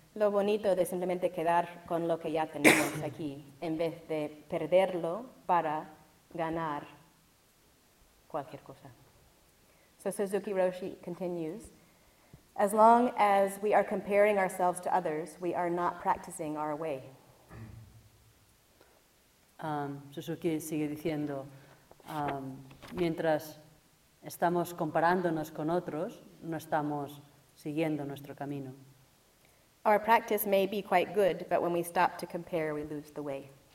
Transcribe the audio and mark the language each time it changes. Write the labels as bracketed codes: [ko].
[es] Lo bonito de simplemente quedar con lo que ya tenemos aquí en vez de perderlo para ganar cualquier cosa. [en] So Suzuki Roshi continues, as long as we are comparing ourselves to others, we are not practicing our way. [es] Suzuki sigue diciendo, mientras estamos comparándonos con otros, no estamos siguiendo nuestro camino. [en] Our practice may be quite good, but when we stop to compare, we lose the way.